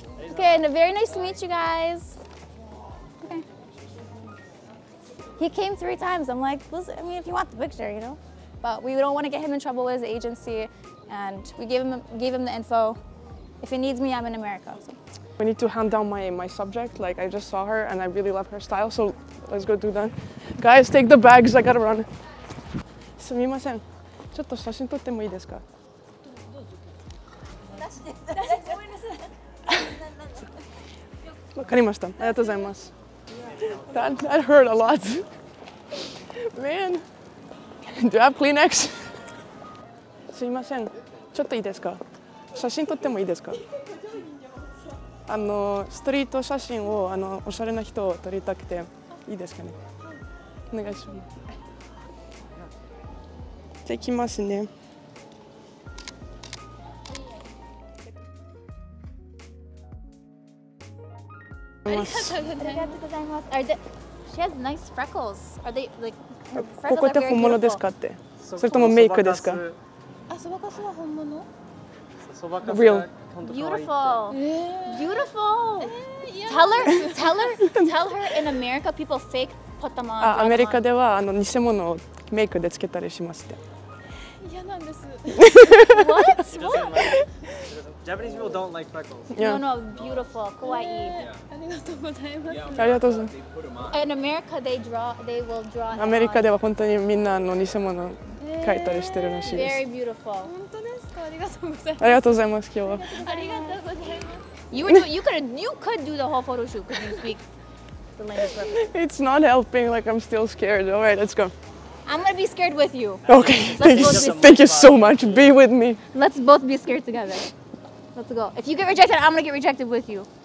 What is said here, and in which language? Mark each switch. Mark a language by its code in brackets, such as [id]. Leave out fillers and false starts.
[en] Okay, and very nice to meet you guys. Okay. He came 3 times, I'm like, listen, I mean, if you want the picture, you know? But we don't want to get him in trouble with his agency, and we gave him the info. If he needs me, I'm in America, so. We need to hand down my subject, like I just saw her, and I really love her style, so let's go do that. Guys, take the bags, I gotta run. [ja] Sumimasen. ちょっと写真撮ってもいいですか？わかりました。ありがとうございます。 [en] That hurt a lot. Man, do you have Kleenex? [ja] すいません。ちょっといいですか？写真撮ってもいいですか？あのストリート写真をあのおしゃれな人を撮りたくていいですかね？お願いします。できますね。ありがとうございます。 [en] Are they? She has nice freckles. Are they like? [ja] ここって本物ですかって。それともメイクですか。あ、そばかすは本物？ [en] Real. Beautiful. Beautiful. Tell her in America people fake put them on. [ja] あ、アメリカではあの偽物をメイクでつけたりしますって。 [en] What? Japanese people don't like freckles. Yeah. No, beautiful, kawaii. Yeah. [ja] ありがとうございます。 [en] In America, they will draw. [ja] アメリカでは本当にみんなあの偽物描いたりしてるらしいです。 [en] Very beautiful. [ja] 本当ですか？ありがとうございます。ありがとうございます。今日は。ありがとうございます。 [en] You could do the whole photo shoot because you speak the language. It's not helping. Like I'm still scared. All right, let's go. I'm gonna be scared with you. Okay, thank you so much. Be with me. Let's both be scared together. Let's go. If you get rejected, I'm gonna get rejected with you.